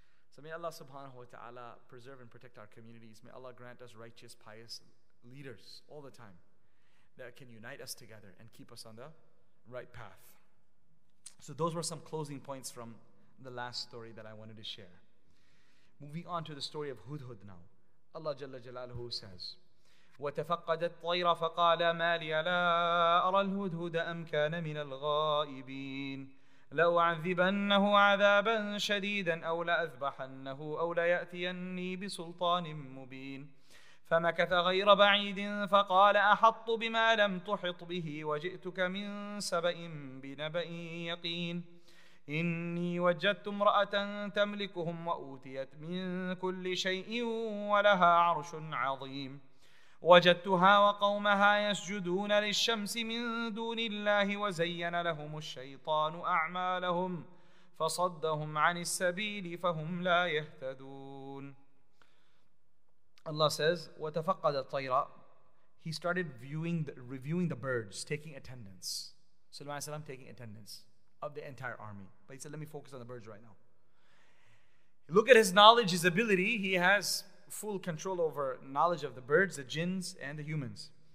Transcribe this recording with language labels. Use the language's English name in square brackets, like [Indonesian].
[English] So may Allah subhanahu wa ta'ala preserve and protect our communities. May Allah grant us righteous, pious leaders all the time that can unite us together and keep us on the right path. So those were some closing points from the last story that I wanted to share. Moving on to the story of Hudhud now. Allah Jalla Jalaluhu says, [Arabic] وَتَفَقَّدَ الطَّيْرَ فَقَالَ مَا لِيَ لَا أَرَى الْهُدْهُدَ أَمْ كَانَ مِنَ الْغَائِبِينَ لَأُعَذِّبَنَّهُ عَذَابًا شَدِيدًا أَوْ لَأَذْبَحَنَّهُ أَوْ لَيَأْتِيَنِّي بِسُلْطَانٍ مُّبِينٍ فمكث غير بعيد فقال أحط بما لم تحط به وجئتك من سبأ بنبأ يقين إني وجدت امرأة تملكهم وأوتيت من كل شيء ولها عرش عظيم وجدتها وقومها يسجدون للشمس من دون الله وزين لهم الشيطان أعمالهم فصدهم عن السبيل فهم لا يهتدون. [English] Allah says, [Arabic] وَتَفَقَّدَ الطَّيْرَ. [English] He started reviewing the birds, taking attendance. Sulaiman alayhi salam taking attendance of the entire army. But he said, let me focus on the birds right now. Look at his knowledge, his ability. He has full control over knowledge of the birds, the jinns, and the humans.